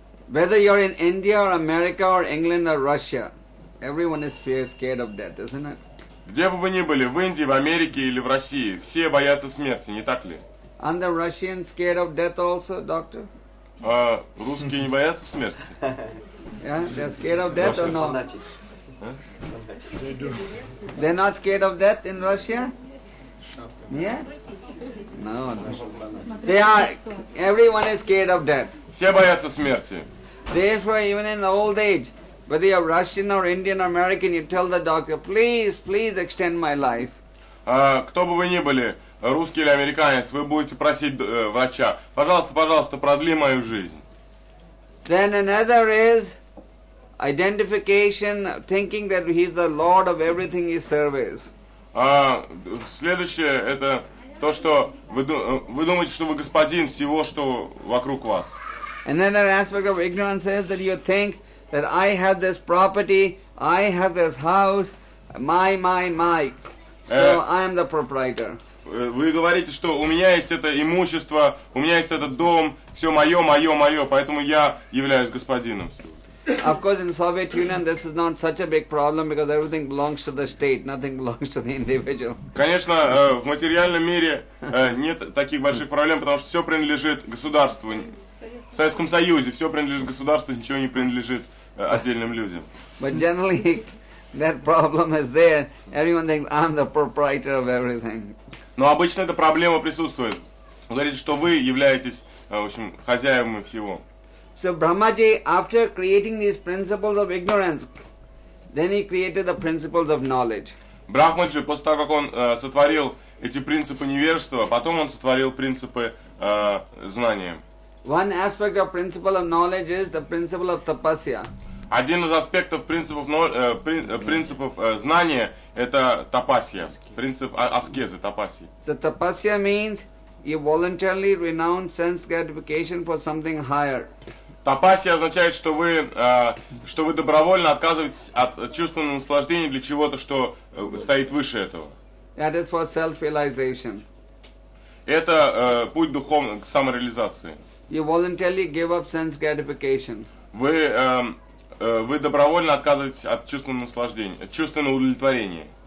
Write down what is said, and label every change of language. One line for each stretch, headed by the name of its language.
English: Whether you're in India or America or England or Russia, everyone is scared of death, isn't it?
Russian: Где бы вы ни были, в Индии, в Америке или в России, все боятся смерти, не так ли?
English: And the Russians scared of death also, doctor?
Russian: Русские не боятся смерти?
English: Yeah, they're scared of death or not? They do. They're not scared of death in Russia? Yeah? No, no. They are. Everyone is scared of death.
Russian: Все боятся смерти.
English: Therefore, even in old age, whether you're Russian or Indian or American, you tell the doctor, please, please extend my life.
Russian: Кто бы вы ни были, русский или американец, вы будете просить врача, пожалуйста, пожалуйста, продли мою жизнь.
English: Then another is identification, thinking that he's the lord of everything he serves.
Russian: Следующее это то, что вы думаете, что вы господин всего, что вокруг вас.
English: Another aspect of ignorance is that you think that I have this property, I have this house, my. So I am the proprietor.
Russian: Вы говорите, что у меня есть это имущество, у меня есть этот дом, все мое, поэтому я являюсь господином.
English: Of course, in Soviet Union, this is not such a big problem because everything belongs to the state, nothing belongs to the individual.
Russian: Конечно, в материальном мире нет таких больших проблем, потому что все принадлежит государству. В Советском Союзе все принадлежит государству, ничего не принадлежит отдельным людям.
English: But generally, that problem is there. Everyone thinks I'm the proprietor of everything.
Russian: Но обычно эта проблема присутствует. Вы говорите, что вы являетесь, в общем, хозяевами всего.
English: So Brahmaji, after creating these principles of ignorance, then he created the principles of knowledge.
Russian: Брахмаджи, после того, как он сотворил эти принципы невежества, потом он сотворил принципы знания.
English: One aspect of principle of knowledge is the principle of tapasya.
Russian: Один из аспектов принципов знания – это тапасья, принцип аскезы, тапасьи.
English: So tapasya means you voluntarily renounce sense gratification for something higher.
Russian: Тапасья означает, что вы добровольно отказываетесь от чувственного наслаждения для чего-то, что стоит выше этого.
English: That is for self-realization.
Russian: Это путь духовный к самореализации.
English: You voluntarily give up sense gratification.
Russian: Вы добровольно отказываетесь от чувственного наслаждения, от чувственного удовлетворения.